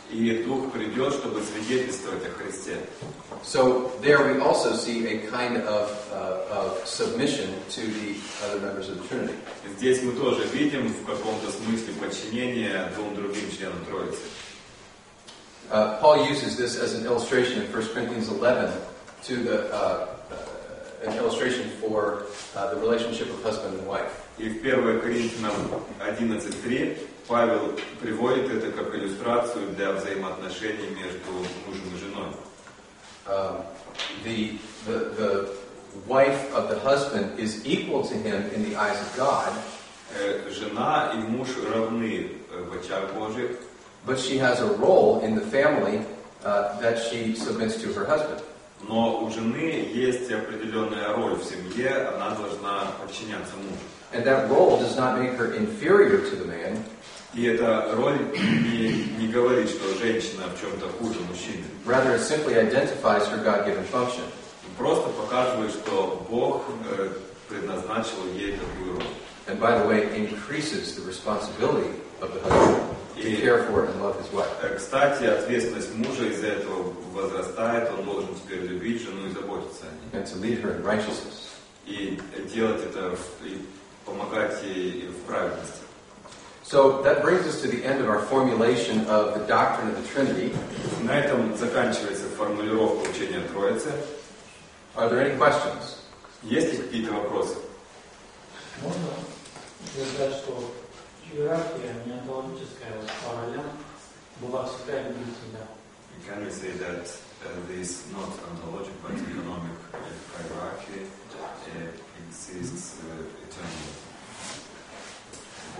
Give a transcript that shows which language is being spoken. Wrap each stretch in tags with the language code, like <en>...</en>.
<ru>И Дух придет, чтобы свидетельствовать о Христе.</ru> <en>So there we also see a kind of submission to the other members of the Trinity.</en> <ru>Здесь мы тоже видим в каком-то смысле подчинение двум другим членам Троицы.</ru> <en>Paul uses this as an illustration in 1 Corinthians 11 to the an illustration for the relationship of husband and wife.</en> <ru>И в 1 Коринфянам 11:3 Павел приводит это как иллюстрацию для взаимоотношений между мужем и женой.</ru> <en>The wife of the husband is equal to him in the eyes of God.</en> <ru>Жена и муж равны в очах Божьих.</ru> <en>But she has a role in the family that she submits to her husband.</en> <ru>Но у жены есть определенная роль в семье, она должна подчиняться мужу.</ru> <en>And that role does not make her inferior to the man.</en> <ru>И эта роль не говорит, что женщина в чем-то хуже мужчины.</ru> <en>Rather, it simply identifies her God-given function.</en> <ru>Просто показывает, что Бог предназначил ей такую роль.</ru> <en>And by the way, increases the responsibility of the husband to care for and love his wife.</en> <ru>Кстати, ответственность мужа из-за этого возрастает. Он должен теперь любить жену и заботиться о ней.</ru> <en>And to lead her in righteousness.</en> <ru>И делать это, и помогать ей в праведности.</ru> <en>So that brings us to the end of our formulation of the doctrine of the Trinity.</en> <ru>На этом заканчивается формулировка учения Троицы.</ru> <en>Are there any questions?</en> <ru>Есть ли какие-то вопросы? Можно сказать, что иерархия, неонтологическая параллель, была всегда и будет всегда.</ru> <en>Can you say that this not ontologic but economic hierarchy exists eternally?</en>